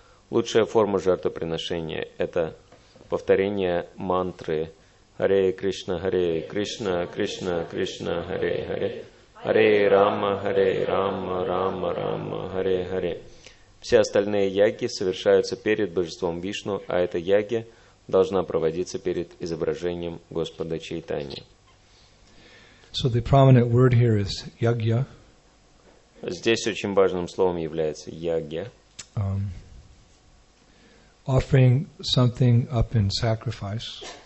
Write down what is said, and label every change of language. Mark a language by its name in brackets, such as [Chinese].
[Russian] Лучшая форма жертвоприношения – это повторение мантры «Харе Кришна, Харе Кришна, Кришна, Кришна, Харе Харе». Харе Рама, Рама, Рама, Харе Харе. Все остальные яги совершаются перед божеством Вишну, а эта яги должна проводиться перед изображением Господа Чайтани. [English] So the prominent word here is yagya. [Russian] Здесь очень важным словом является ягья. [English] Offering something up in sacrifice.